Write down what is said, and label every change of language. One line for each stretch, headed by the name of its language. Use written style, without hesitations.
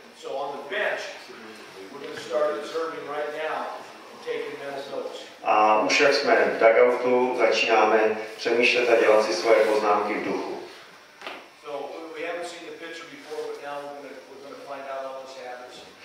English: So on the bench, we're going to start observing right now, taking mental notes.
Czech: A už jak jsme v dugoutu, začínáme přemýšlet a dělat si svoje poznámky v duchu.
English: So we haven't seen the picture before, but now we're going to find out all his habits.